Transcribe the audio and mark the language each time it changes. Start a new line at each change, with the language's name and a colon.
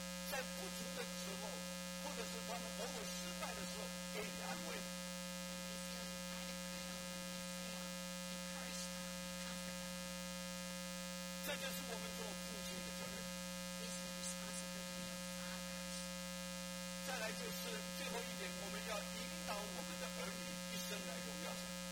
Chinese: 在不足的时候, 或者是他们偶尔失败的时候, 给你安慰。
English: When you feel inadequate or when you fail, encourage them, comfort them.
Chinese: 这就是我们做父亲的责任。
English: This is the responsibility of fathers.
Chinese: 再来就是最后一点, 我们要引导我们的儿女一生来荣耀神。